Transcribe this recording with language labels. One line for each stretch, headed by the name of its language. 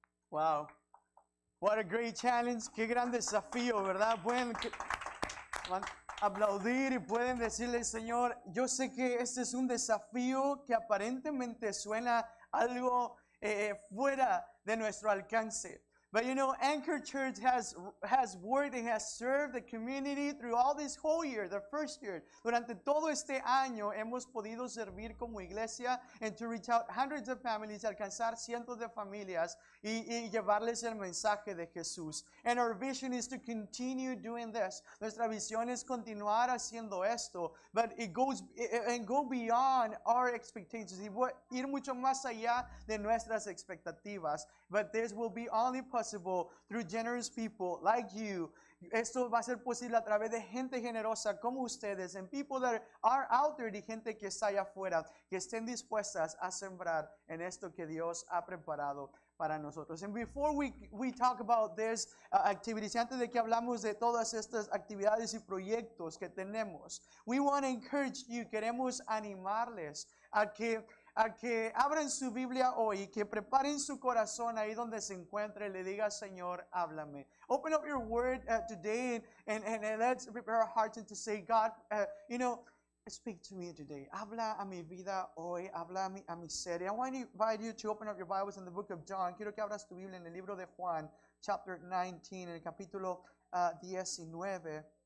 English: Wow, what a great challenge,
Spanish: qué gran desafío, ¿verdad? Pueden aplaudir y pueden decirle, Señor, yo sé que este es un desafío que aparentemente suena algo fuera de nuestro alcance.
English: But you know, Anchor Church has worked and has served the community through all this whole year, the first year.
Spanish: Durante todo este año hemos podido servir como iglesia
English: and to reach out hundreds of families,
Spanish: alcanzar cientos de familias y llevarles el mensaje de Jesús.
English: And our vision is to continue doing this.
Spanish: Nuestra visión es continuar haciendo esto,
English: but it goes and go beyond our expectations.
Spanish: Y ir mucho más allá de nuestras expectativas.
English: But this will be only possible through generous people like you.
Spanish: Esto va a ser posible a través de gente generosa como ustedes,
English: and people that are out there,
Spanish: y gente que está allá afuera, que estén dispuestas a sembrar en esto que Dios ha preparado para nosotros.
English: And before we talk about this activities,
Spanish: antes de que hablamos de todas estas actividades y proyectos que tenemos,
English: we want to encourage you,
Spanish: queremos animarles a que abran su Biblia hoy, que preparen su corazón ahí donde se encuentre, le diga, Señor, háblame.
English: Open up your word today and let's prepare our hearts and to say, God, you know, Speak to me today.
Spanish: Habla a mi vida hoy. Habla a mi ser.
English: I want to invite you to open up your Bibles in the book of John.
Spanish: Quiero que abras tu Biblia en el libro de Juan,
English: chapter 19,
Spanish: en el capítulo 19.